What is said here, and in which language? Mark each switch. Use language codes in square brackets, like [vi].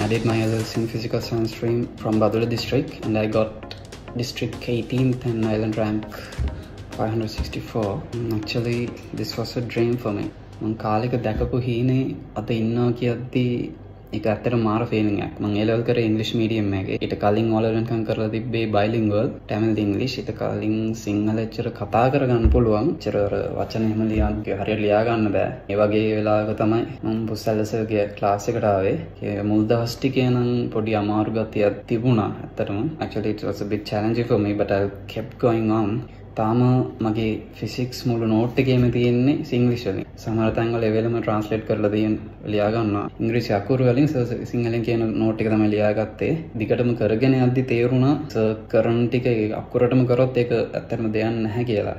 [en] I did my LLC in physical science stream from Badulla district, and I got district 18th and island rank 564. Actually, this was a dream for me. [si] මං කාලෙක දැකපු හීනේ අත ඉන්නවා කියද්දී ඒක ඇත්තටම මාර ෆීලින් එකක්. මං ඒ ලෙවල් කරේ ඉංග්‍රීසි මීඩියම් එකේ. ඊට කලින් ඕලරන්කම් කරලා තිබ්බේ බයිලින්ගුවල්, තමිල් ඉංග්‍රීසි. ඊට කලින් සිංහල ඇච්චර කතා කරගන්න පුළුවන්. ඇච්චර වචන එහෙම ලියන්නේ හරියට ලියා ගන්න බෑ. ඒ වගේ වෙලාවක තමයි මං පුස්සල්සර්ගේ ක්ලාස් එකට ආවේ. ඒ මුල් දවස් ටිකේ නම් පොඩි අමාරු ගතියක් තිබුණා ඇත්තටම. [en] Actually it was a bit challenging for me, but I kept going on. [si] තාම මගේ ෆිසික්ස් මුළු නෝට් එකේම තියෙන්නේ සිංග්ලිෂ් වලින්. සමහර තැන්වල එවෙලම ට්‍රාන්ස්ලේට් කරලා දෙන ලියා ගන්නවා. ඉංග්‍රීසි අකුරු වලින් සිංහලෙන් කියන නෝට් එක තමයි ලියාගත්තේ. දිගටම කරගෙන යද්දි තේරුණා සර් කරන ටික අකුරටම කරොත් ඒක ඇත්තටම දෙයක් නැහැ කියලා.